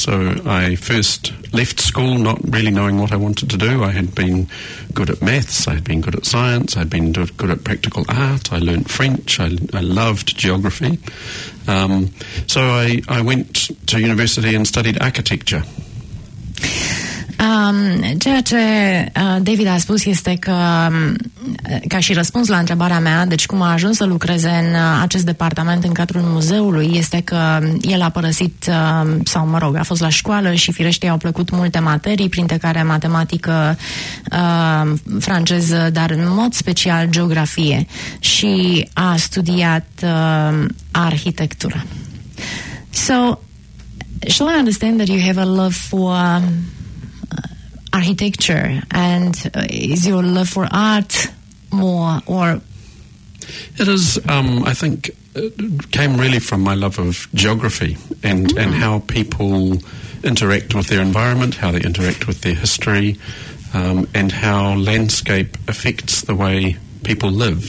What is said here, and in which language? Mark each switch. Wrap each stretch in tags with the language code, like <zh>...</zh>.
<en>So I first left school not really knowing what I wanted to do. I had been good at maths, I had been good at science, I had been good at practical art, I learnt French, I loved geography. So I went to university and studied architecture.</en> <ro>Ceea ce David a spus este că, ca și răspuns la întrebarea mea, deci cum a ajuns să lucreze în acest departament în cadrul muzeului, este că el a părăsit, sau mă rog, a fost la școală și firește i-au plăcut multe materii, printre care matematică, franceză, dar în mod special geografie, și a studiat arhitectură.</ro> <en>So, shall I understand that you have a love for architecture, and is your love for art more, or it is I think it came really from my love of geography and and how people interact with their environment, how they interact with their history, and how landscape affects the way people live.</en>